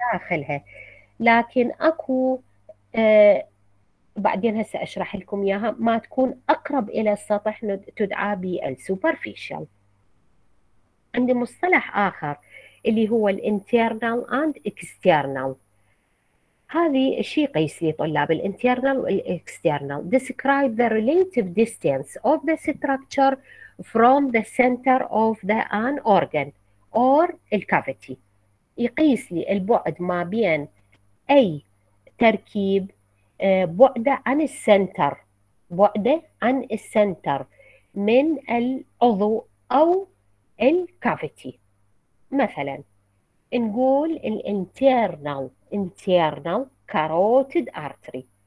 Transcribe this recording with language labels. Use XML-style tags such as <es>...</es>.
<ar>داخلها، لكن اكو بعدين هسه اشرح لكم اياها، ما تكون اقرب الى السطح تدعى بالسوبرفيشال. عندي مصطلح اخر اللي هو الانترنال اند اكسترنال. هذه شيء قيس لي طلاب، الانترنال والاكسترنال.</ar> <en>Describe the relative distance of the structure from the center of the an organ or the cavity.</en> <ar>يقيس لي البعد ما بين اي تركيب بعده عن السنتر، بعده عن السنتر من العضو او الكافيتي. مثلا نقول الانترنال، انترنال كاروتيد ارتري.</ar>